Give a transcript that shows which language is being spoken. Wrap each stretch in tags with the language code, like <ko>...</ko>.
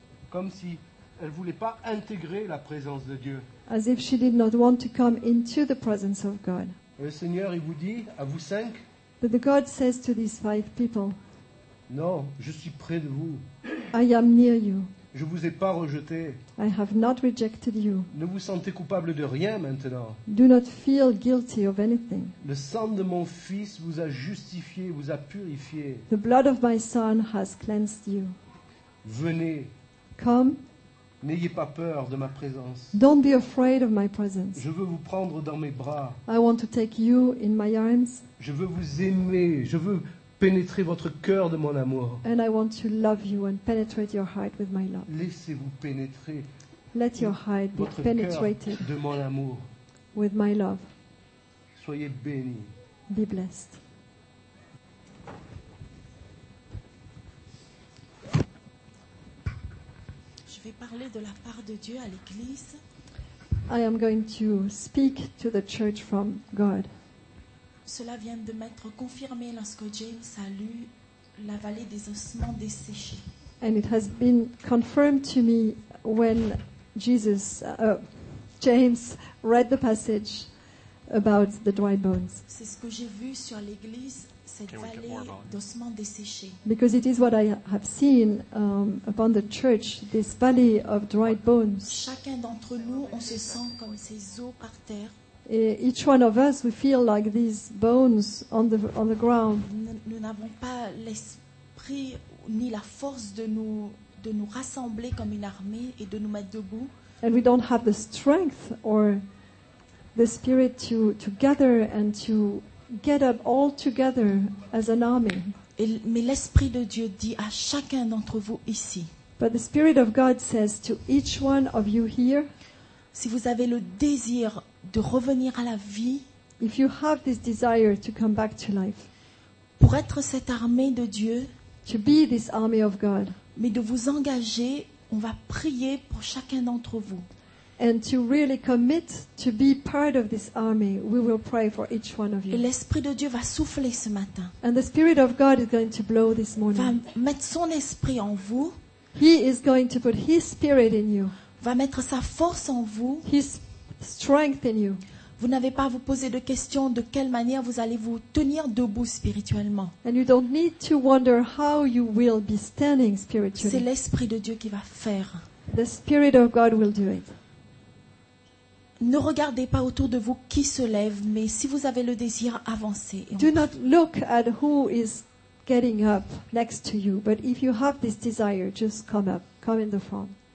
<fr>Comme si elle voulait pas intégrer la présence de Dieu.</fr> <en>As if she did not want to come into the presence of God.</en> <fr>Le Seigneur, il vous dit, à vous cinq,</fr> <en>but the God says to these five people,</en> <fr>non, je suis près de vous.</fr> <en>I am near you.</en> <fr>Je vous ai pas rejeté.</fr> <en>I have not rejected you.</en> <fr>Ne vous sentez coupable de rien maintenant.</fr> <en>Do not feel guilty of anything.</en> <fr>Le sang de mon fils vous a justifié, vous a purifié.</fr> <en>The blood of my son has cleansed you.</en> <fr>Venez.</fr> <en>Come.</en> <fr>N'ayez pas peur de ma présence.</fr> <en>Don't be afraid of my presence.</en> <fr>Je veux vous prendre dans mes bras.</fr> <en>I want to take you in my arms.</en> <fr>Je veux vous aimer. Je veux pénétrer votre cœur de mon amour.</fr> <en>And I want to love you and penetrate your heart with my love.</en> <fr>Laissez-vous pénétrer.</fr> <en>Let your heart be penetrated.</en> <fr>De mon amour.</fr> <en>With my love.</en> <fr>Soyez bénis.</fr> <en>Be blessed.</en> <fr>Je vais parler de la part de Dieu à l'église.</fr> <en>I am going to speak to the church from God.</en> <fr>Cela vient de m'être confirmé lorsque James a lu la vallée des ossements desséchés.</fr> <en>And it has been confirmed to me when James read the passage about the dry bones.</en> <fr>C'est ce que j'ai vu sur l'église, cette vallée d'ossements desséchés.</fr> <en>Because it is what I have seen upon the church, this valley of dried bones.</en> <fr>Chacun d'entre nous, on se sent comme ces os par terre.</fr> <en>Each one of us, we feel like these bones on the ground.</en> <fr>Nous n'avons pas l'esprit ni la force de nous rassembler comme une armée et de nous mettre debout.</fr> <en>And we don't have the strength or the spirit to gather and to get up all together as an army.</en> <fr>Mais l'esprit de Dieu dit à chacun d'entre vous ici.</fr> <en>But the spirit of God says to each one of you here.</en> <fr>Si vous avez le désir de revenir à la vie.</fr> <en>If you have this desire to come back to life.</en> <fr>Pour être cette armée de Dieu.</fr> <en>To be this army of God.</en> <fr>Mais de vous engager, on va prier pour chacun d'entre vous.</fr> <en>And to really commit to be part of this army, we will pray for each one of you.</en> <fr>Et l'esprit de Dieu va souffler ce matin.</fr> <en>And the spirit of God is going to blow this morning.</en> <fr>Va mettre son esprit en vous.</fr> <en>He is going to put his spirit in you.</en> <fr>Va mettre sa force en vous.</fr> <en>His strength in you.</en> <fr>Vous n'avez pas à vous poser de questions de quelle manière vous allez vous tenir debout spirituellement.</fr> <en>And you don't need to wonder how you will be standing spiritually.</en> <fr>C'est l'esprit de Dieu qui va faire.</fr> <en>The spirit of God will do it.</en> <fr>Ne regardez pas autour de vous qui se lève, mais si vous avez le désir, avancez.</fr> <en>Do not look at who is getting up next to you, but if you have this desire, just come up, come in the front.</en>